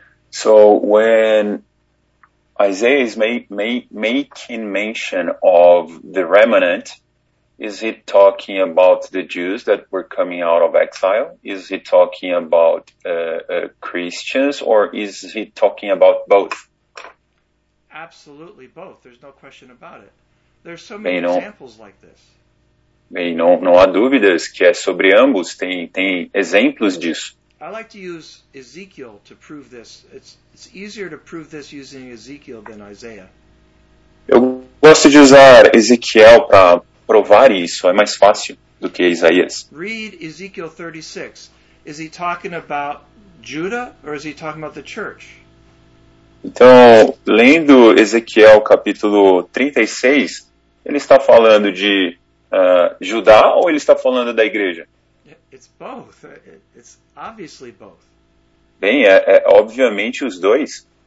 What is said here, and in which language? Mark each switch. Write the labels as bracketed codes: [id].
[en] So, when Isaiah is making mention of the remnant, is he talking about the Jews that were coming out of exile? Is he talking about Christians, or is he talking about both? Absolutely both. There's no question about it. There's so many examples like this. [pt] Bem, não há dúvidas que é sobre ambos, tem exemplos disso. [en] I like to use Ezekiel to prove this. It's easier to prove this using Ezekiel than Isaiah. [pt] Eu gosto de usar Ezequiel para provar isso, é mais fácil do que Isaías. [en] Read Ezekiel 36. Is he talking about Judah or is he talking about the church? [pt] Então, lendo Ezequiel capítulo 36, ele está falando de Judá ou ele está falando da igreja? [en] It's both. It's obviously both. [pt] Bem, é obviamente os dois.